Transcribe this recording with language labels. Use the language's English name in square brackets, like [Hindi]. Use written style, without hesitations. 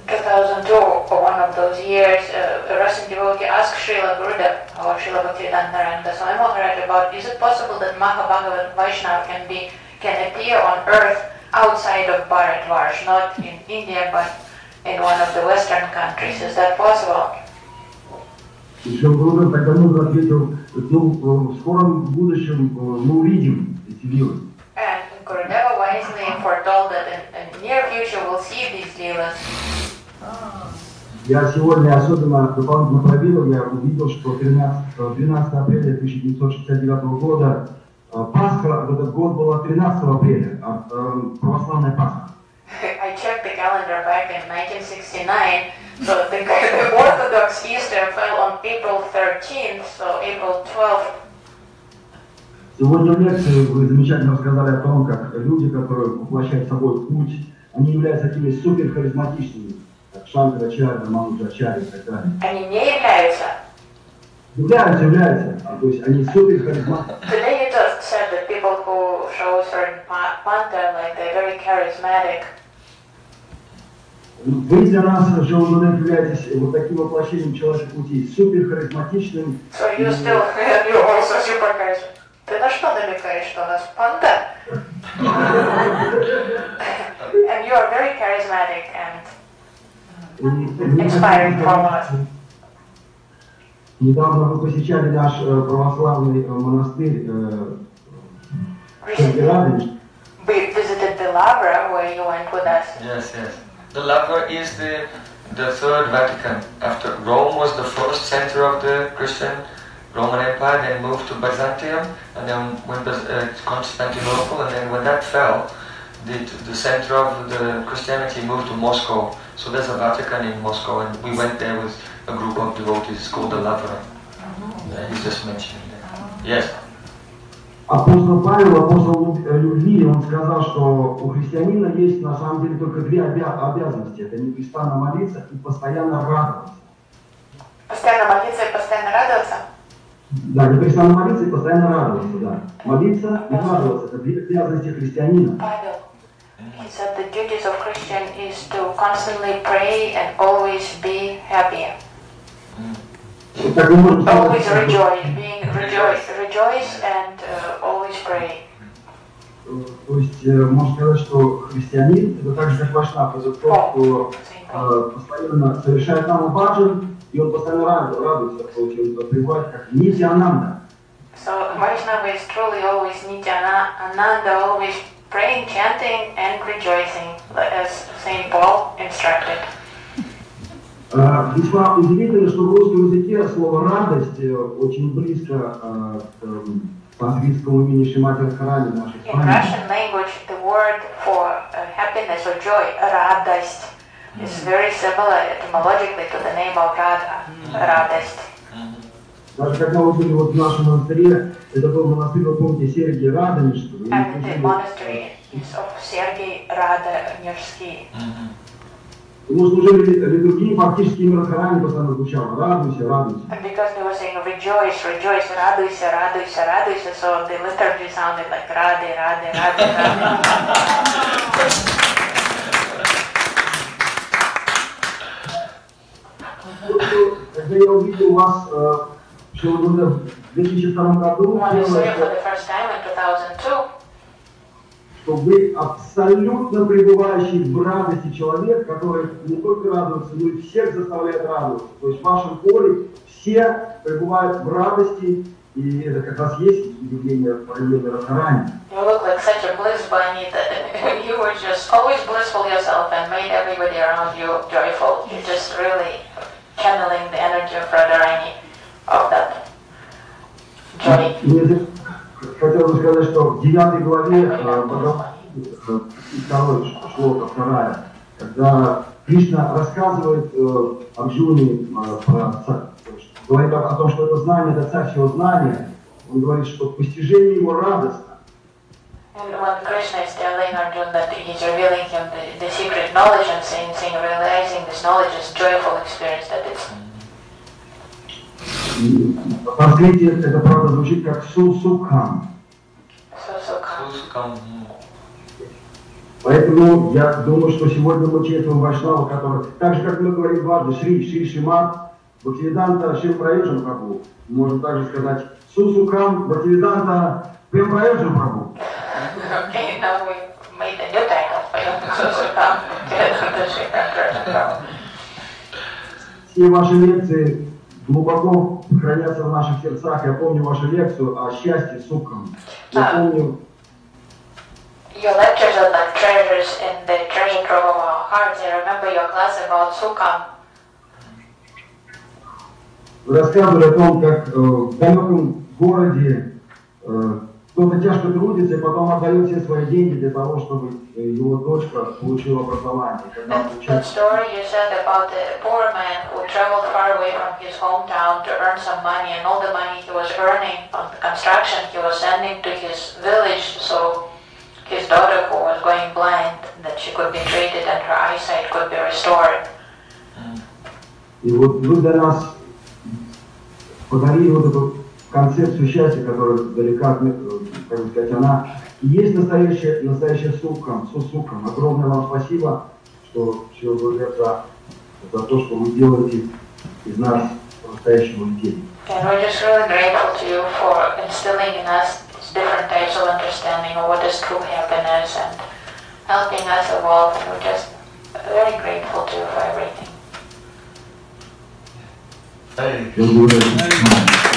[English] In 2002, one of those years, a Russian devotee asked Srila Gurudev, or Srila Bhaktivedanta Naranda Swami Maharaj, about is it possible that Mahabhagavata Vaishnava can appear on earth outside of Bharat Varsh, not in India, but in one of the Western countries. Is that possible? [Russian] Шрила Гурудев так давно ответил, ну, в скором будущем мы увидим эти лилы. [English] And Gurudeva wisely foretold that in the near future we'll see these lilas. [Russian] Я сегодня особенно дополнительно пробил, я увидел, что 12 апреля 1969 года Пасха, в этот год была 13 апреля, православная Пасха. [English] I checked the calendar back in 1969. So the Orthodox Easter fell on April 13th, so April 12th. [Russian] Сегодня в лекции вы замечательно рассказали о том, как люди, которые воплощают собой путь, они являются такими суперхаризматичными, как Шанкара Ачарья, Мануджа Ачарья и так далее. Они не являются. Являются, являются. А то есть они суперхаризматичные. [English] Today you just said that people who show certain panta, like they're very charismatic. [Russian] Вы для нас, Шрила Гурудев, являетесь вот таким воплощением человеческого пути, супер харизматичным. [English] So you still have your also super charismatic. [Russian] Ты на что намекаешь, что у нас панда? [English] And you are very charismatic and inspiring from us. [Russian] Недавно вы посещали наш православный монастырь [English] Recently, we visited the Lavra where you went with us. Yes, yes. The Lavra is the third Vatican. After Rome was the first center of the Christian Roman Empire, then moved to Byzantium, and then went to Constantinople, and then when that fell, the center of the Christianity moved to Moscow. So there's a Vatican in Moscow, and we went there with a group of devotees. It's called the Lavra. Mm-hmm. Yeah, he's just mentioning that. Yes. [Russian] Апостол Павел, апостол любви, он сказал, что у христианина есть на самом деле только две обязанности. Это непрестанно молиться и постоянно радоваться. Постоянно молиться и постоянно радоваться? Да, непрестанно молиться и постоянно радоваться, да. Молиться и радоваться – это две обязанности христианина. [English] Павел, he said the duties of Christian is to constantly pray and always be happy. Always rejoice and always pray. So Vaishnava is truly always Nityananda, always praying, chanting and rejoicing as Saint Paul instructed. [Russian] Весьма удивительно, что в русском языке слово радость очень близко к английскому имени Шимати Радхарани, нашей [English] памяти. In Russian language, the word for happiness or joy, радость, mm-hmm. is very similar etymologically to the name of Radha, радость. [Russian] Даже когда мы были вот в нашем монастыре, это был монастырь, вы помните, Сергий Радонежский. [English] And the monastery is of Сергий Радонежский. [Russian] Мы служили литургии, фактически именно Харани постоянно звучало. Радуйся, радуйся. [English] And because they were saying rejoice, rejoice, [Russian] радуйся, радуйся, радуйся, [English] so the liturgy sounded like Rade, Rade, Rade, Rade. [Russian] Когда я увидел вас, что вы думали, в 2002 году... [English] When I saw you for the first time in 2002. [Russian] Что вы абсолютно пребывающий в радости человек, который не только радуется, но и всех заставляет радоваться. То есть в вашем поле все пребывают в радости, и это как раз есть явление Прайоджана Радхарани. [English] You look like such a bliss bunny that you were just always blissful yourself and made everybody around you joyful. You're just really channeling the energy of Radharani of that joy. [Russian] Хотел бы сказать, что в 9 главе второй шлока, вторая, когда Кришна рассказывает Арджуне про царь, говорит о том, что это знание, это царь всего знания, он говорит, что постижение его радостно. [English] And when Krishna is telling Arjuna that he's revealing him the secret knowledge and saying realizing this knowledge is joyful experience that it's. [Russian] И по-английски это правда звучит как су-су-кам. Су-су-кам. Поэтому я думаю, что сегодня мы читаем Вайшнава, который, так же как мы говорим дважды, Шри, Шри, Шримат, Бхактивиданта, Шрим Прайоджан Прабху. Можно также сказать су-су-кам, Бхактивиданта, Прем Прайоджан Прабху. [English] Окей, now we made a new title for you. [Russian] Су-су-кам, Бхактивиданта, Шрим Прайоджан Прабху. Все ваши лекции глубоко хранятся в наших сердцах. Я помню вашу лекцию о счастье сукхам. Я помню. [English] Your lectures are like treasures in the treasure trove of our hearts. I remember your class about сукхам. [Russian] Вы рассказывали о том, как в далеком городе кто-то тяжко трудится, и потом отдает все свои деньги для того, чтобы его дочка получила образование. [English] That story you said about the poor man who traveled far away from his hometown to earn some money, and all the money he was earning on the construction he was sending to his village, so his daughter who was going blind, that she could be treated and her eyesight could be restored. [Russian] И вот вы для нас подарили вот эту концепцию счастья, которая далека от метро, как бы сказать, она есть настоящая сукха, су-сукха. Огромное вам спасибо, что все вы за то, что вы делаете из нас настоящего людей. [English] And we're just really grateful to you for instilling in us different types of understanding of what is true happiness and helping us evolve. We're just very grateful to you for everything. Thank you. Thank you.